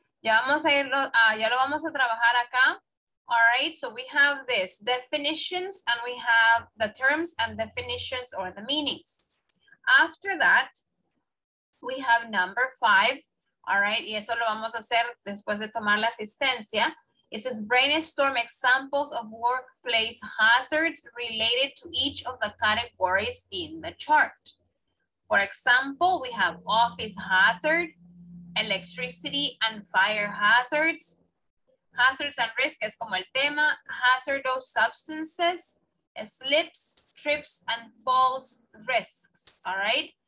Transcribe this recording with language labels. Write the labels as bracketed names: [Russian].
[Spanish] Ya vamos a irlo, ya lo vamos a trabajar acá. [English] All right, so we have this definitions and we have the terms and definitions or the meanings. After that, we have number five. [Spanish] All right, y eso lo vamos a hacer después de tomar la asistencia. [English] It says brainstorm examples of workplace hazards related to each of the categories in the chart. For example, we have office hazard, electricity and fire hazards. Hazards and risk [Spanish] es como el tema, [English] hazardous substances, slips, trips, and falls risks, all right?